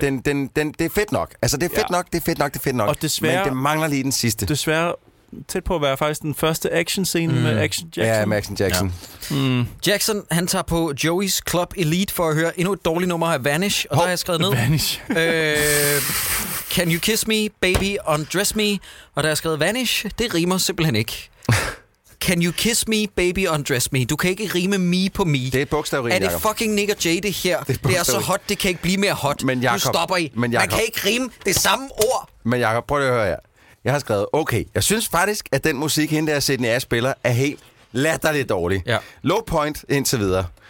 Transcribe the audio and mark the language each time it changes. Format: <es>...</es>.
<da>Det er fedt nok. Altså, det er fedt nok. Det er fedt nok. Det er fedt nok. Og desværre, men det mangler lige den sidste. Desværre tæt på at være faktisk den første action-scene med Action Jackson. Ja, med Action Jackson. Ja. Mm. Jackson, han tager på Joey's Club Elite for at høre endnu et dårligt nummer af Vanish, og der har jeg skrevet ned. Vanish.</da> <en>Can you kiss me, baby, undress me?</en> <da>Og der har skrevet Vanish, det rimer simpelthen ikke.</da> <en>Can you kiss me, baby, undress me?</en> <da>Du kan ikke rime me på me. Det er et bogstaveri, Jacob. Er det fucking Nick & Jay, det her? Det er så hot, det kan ikke blive mere hot. Men Jacob, du stopper i. Men Jacob, man kan ikke rime det samme ord. Men Jacob, prøv lige at høre her. Jeg har skrevet, okay, jeg synes faktisk, at den musik, hende der Sydney Ash spiller, er helt latterligt dårlig. Ja. Low point indtil videre.</da>